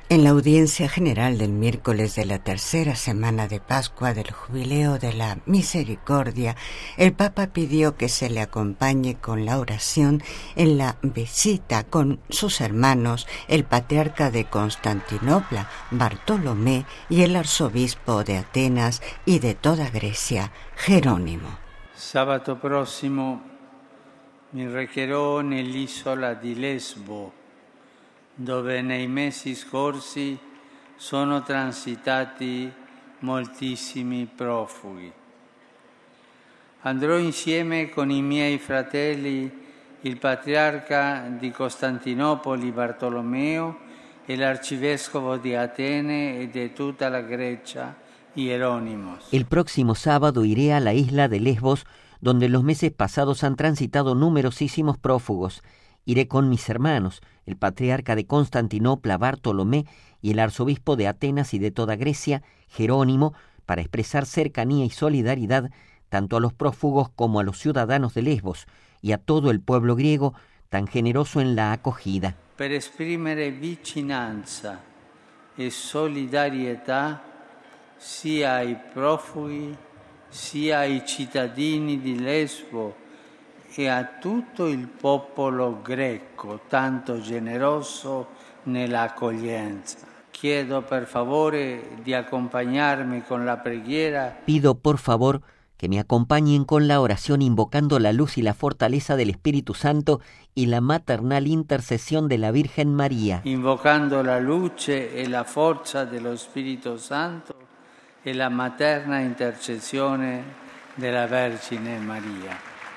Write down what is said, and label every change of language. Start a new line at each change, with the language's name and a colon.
Spanish: En la audiencia general del miércoles de la tercera semana de Pascua del Jubileo de la Misericordia, el Papa pidió que se le acompañe con la oración en la visita con sus hermanos, el patriarca de Constantinopla, Bartolomé, y el arzobispo de Atenas y de toda Grecia, Jerónimo.
Italian: Sabato prossimo mi recherò nell'isola di Lesbo, dove nei mesi scorsi sono transitati moltissimi profughi. Andrò insieme con i miei fratelli, il patriarca di Costantinopoli Bartolomeo e l'arcivescovo di Atene e di tutta la Grecia, Hierónimos.
Spanish: El próximo sábado iré a la isla de Lesbos, donde los meses pasados han transitado numerosísimos prófugos. Iré con mis hermanos, el patriarca de Constantinopla, Bartolomé, y el arzobispo de Atenas y de toda Grecia, Jerónimo, para expresar cercanía y solidaridad tanto a los prófugos como a los ciudadanos de Lesbos y a todo el pueblo griego tan generoso en la acogida.
Italian: Per esprimere vicinanza e solidarietà sia ai profughi sia ai cittadini di Lesbo e a tutto il popolo greco tanto generoso nell'accoglienza. Chiedo per favore di accompagnarmi con la preghiera.
Spanish: Pido por favor que me acompañen con la oración invocando la luz y la fortaleza del Espíritu Santo y la maternal intercesión de la Virgen María.
Italian: Invocando la luce e la forza dello Spirito Santo e la materna intercessione della Vergine Maria.